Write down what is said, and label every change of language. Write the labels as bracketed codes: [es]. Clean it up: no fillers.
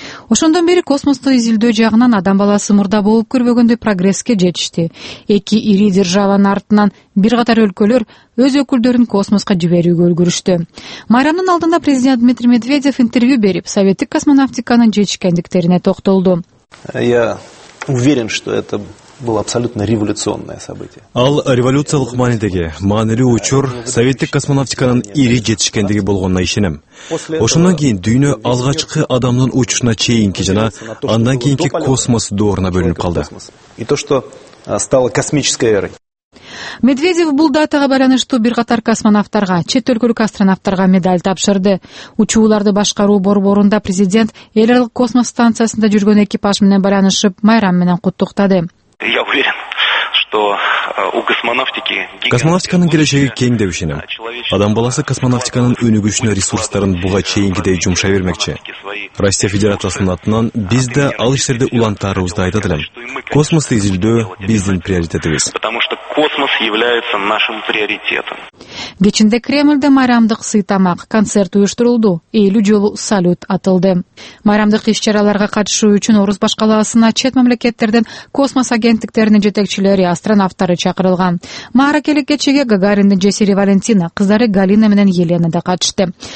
[ky] Ошондон бери космосту изилдөө жагынан адам баласы мурда болуп көрбөгөндөй прогресске жетишти. Эки ири державанын артынан бир катар өлкөлөр өз өкүлдөрүн космоско жиберүүгө үлгүрүштү. Майрамдын алдында президент Дмитрий Медведев интервью берип, советтик космонавтиканын жетишкендиктерине токтолду. [ru] Я уверен, что это было абсолютно революционное событие. [ky] Ал революциялык маанидеги маанилүү учур советтик космонавтиканын ири жетишкендиги болгонуна ишенем. Ошондон кийин дүйнө алгачкы адамдын учушуна чейинки жана андан кийинки космос дооруна бөлүнүп калды. [ru] И то, что стало космической эрой. [ky] Медведев бул датага байланыштуу бир катар космонавтарга, чет өлкөлүк астронавтарга медаль тапшырды. Учууларды башкаруу борборунда президент эл аралык космос станциясында жүргөн экипаж менен байланышып, майрам менен куттуктады. [ru] Я уверен, что у космонавтики [ky] космонавтиканын келечеги кең деп ишенем. Адам баласы космонавтиканын өнүгүшүнө ресурстарын буга чейинкидей жумшай бермекчи. Россия Федерациясынын атынан биз да ал иштерди улантаарыбызды айтат элем. Космосту изилдөө биздин приоритетибиз. [ru] Космос является нашим приоритетом. [ky] Кечинде Кремльде майрамдык сый тамак, концерт уюштурулду, элүү жолу салют атылды. Майрамдык иш-чараларга катышуу үчүн Орус башкаласына чет мамлекеттерден космос агенттиктеринин жетекчилери, астронавттары чакырылган. Маарекелик кечеге Гагариндин жесири Валентина, кыздары Галина менен Елена да катышты.